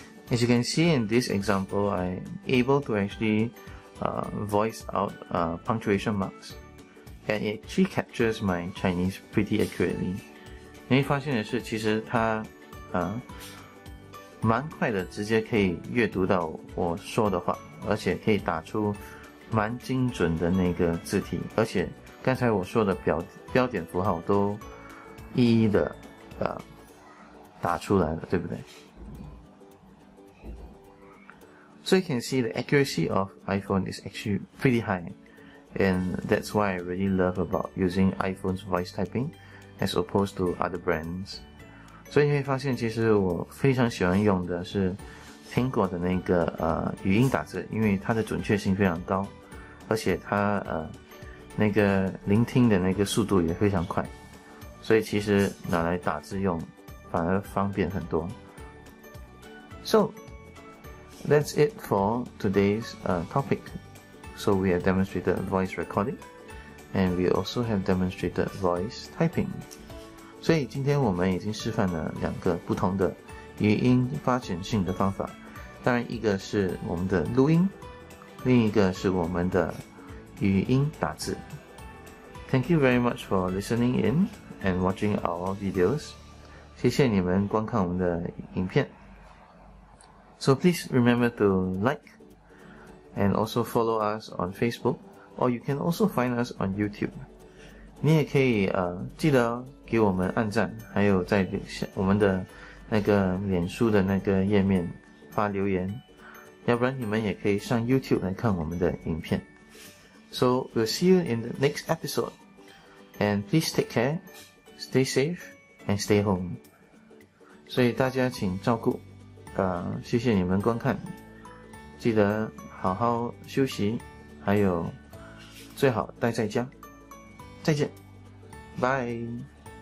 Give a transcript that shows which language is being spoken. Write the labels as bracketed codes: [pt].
[en] As you can see in this example, I'm able to actually voice out punctuation marks, and it actually captures my Chinese pretty accurately. [zh] 你会发现的是，其实它蛮快的，直接可以阅读到我说的话，而且可以打出蛮精准的那个字体，而且刚才我说的标点符号都。一一的打出来了，对不对？ [en] So you can see the accuracy of iPhone is actually pretty high, and that's why I really love about using iPhone's voice typing as opposed to other brands. [zh] 所以你会发现其实我非常喜欢用的是苹果的那个语音打字，因为它的准确性非常高，而且它那个聆听的那个速度也非常快。所以其实拿来打字用反而方便很多。 [en] So that's it for today's topic. So we have demonstrated voice recording and we also have demonstrated voice typing. [zh] 所以今天我们已经示范了两个不同的语音发展性的方法，当然一个是我们的录音，另一个是我们的语音打字。 [en] Thank you very much for listening inand watching our videos. [zh] 谢谢你们观看我们的影片。 [en] So please remember to like and also follow us on Facebook, or you can also find us on YouTube. [zh] 你也可以记得给我们按赞，还有在我们的那个脸书的那个页面发留言，要不然你们也可以上 YouTube 来看我们的影片。 [en] So we'll see you in the next episode. And please take care, stay safe, and stay home. [zh] 所以大家请照顾，谢谢你们观看，记得好好休息，还有最好待在家。再见，拜。